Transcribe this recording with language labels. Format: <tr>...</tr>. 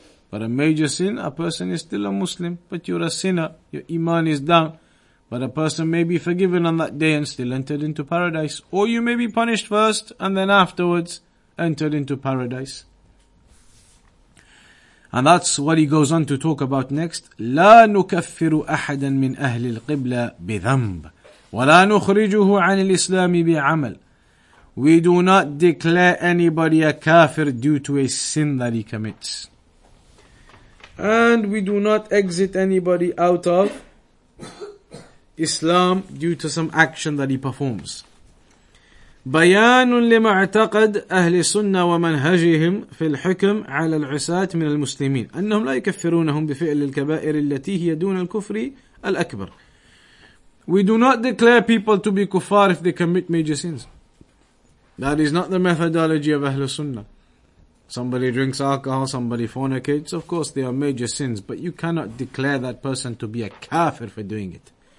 <en>But a major sin, a person is still a Muslim. But you're a sinner. Your iman is down. But a person may be forgiven on that day and still entered into paradise. Or you may be punished first and then afterwards entered into paradise. And that's what he goes on to talk about next.</en> <ar>لا نكفر أحدا من أهل القبلة بذنب ولا نخرجه عن الإسلام بعمل.</ar> <en>We do not declare anybody a kafir due to a sin that he commits. And we do not exit anybody out of Islam due to some action that he performs.</en> <ar>بيان لمعتقد أهل السنة ومنهجهم في الحكم على العساة من المسلمين أنهم لا يكفرونهم بفعل الكبائر التي هي دون الكفر الأكبر.</ar> <en>We do not declare people to be kuffar if they commit major sins. That is not the methodology of Ahl Sunnah. Somebody drinks alcohol, somebody fornicates, of course they are major sins, but you cannot declare that person to be a kafir for doing it.</en>